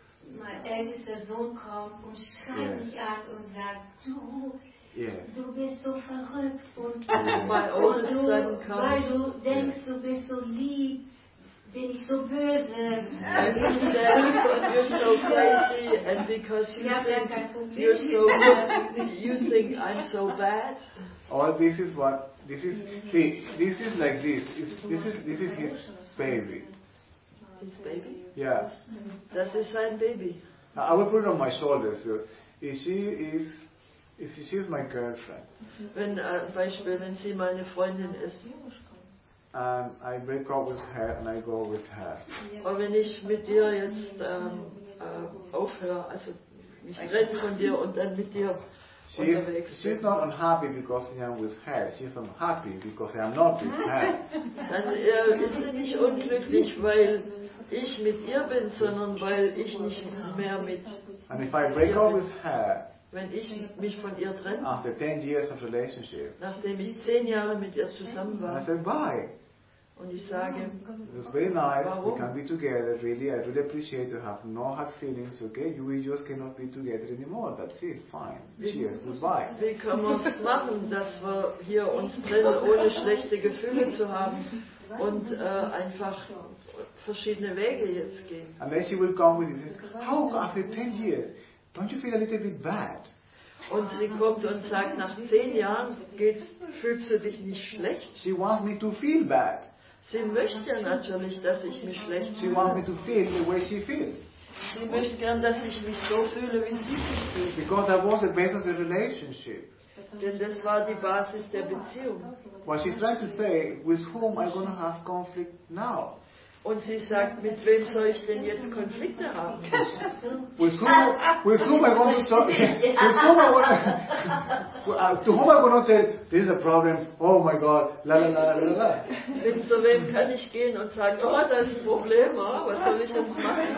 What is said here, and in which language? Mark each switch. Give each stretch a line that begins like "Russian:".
German: Mein ältester Sohn kommt und schreit mich an und sagt, du... Du bist so verrückt weil du denkst, du bist so lieb, bin ich so böse.
English: You're so crazy and because you think I'm so bad. All this is what this is. See, this is like this. This is his baby. His baby? Yeah. That's his son baby. I will put it on my shoulders. She is my girlfriend.
German: Wenn Beispiel, wenn sie meine Freundin ist.
English: And I break up with her and I go with her.
German: Und wenn ich mit dir jetzt aufhöre, also ich renne von dir und dann mit dir unterwegs bin.
English: She's not unhappy because I am with her. She's unhappy because I am not with her.
German: Dann ist sie nicht unglücklich, weil ich mit ihr bin, sondern weil ich nicht mehr mit ihr.
English: And if I break up with her.
German: Wenn ich mich von ihr trenne,
English: after 10 years of relationship,
German: nachdem ich 10 Jahre mit ihr zusammen war,
English: I said, why?
German: Und ich sage,
English: it's very nice,
German: warum?
English: We can be together, really, I really appreciate you have no hard feelings, okay, we just cannot be together anymore, that's it, fine, cheers, goodbye.
German: Wie können wir es machen, dass wir hier uns trennen, ohne schlechte Gefühle zu haben und einfach verschiedene Wege jetzt gehen?
English: And then she will come with you, how after 10 years? Don't you feel a little bit bad?
German: Und sie kommt und sagt, nach 10 Jahren fühlst du dich nicht schlecht.
English: She wants me to feel bad.
German: Sie möchte ja natürlich, dass ich mich schlecht fühle.
English: She wants me to feel the way she feels.
German: Sie möchte gern, dass ich mich so fühle, wie sie sich fühlt.
English: Because that was the basis of the relationship.
German: Denn das war die Basis der Beziehung.
English: Well, she tried to say, with whom I'm going to have conflict now.
German: Und sie sagt, mit wem soll ich denn jetzt Konflikte haben?
English: With whom I want to talk? To whom I want to say, this is a problem, oh my God, la la la la la la.
German: Zu wem kann ich gehen und sagen, oh, das ist ein Problem, oh, was soll ich jetzt machen?